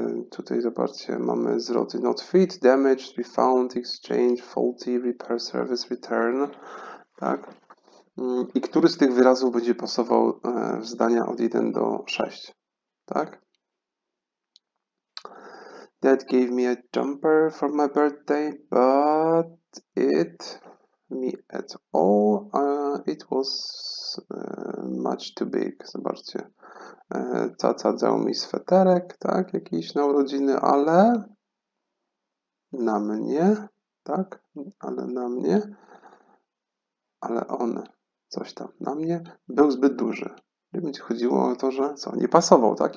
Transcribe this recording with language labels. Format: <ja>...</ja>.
<pl>Tutaj zobaczcie, mamy zwroty</pl> <en>not fit, damaged, be found, exchange, faulty, repair service, return,</en> <pl>tak? I który z tych wyrazów będzie pasował w zdania od 1 do 6, tak?</pl> <en>That gave me a jumper for my birthday, but it me at all, it was much too big.</en> <pl>Zobaczcie, tata dał mi sweterek, tak, jakiś na urodziny, ale na mnie, tak, ale na mnie, ale on... Coś tam na mnie był zbyt duży. Nie będzie chodziło o to, że co, nie pasował, tak?</pl>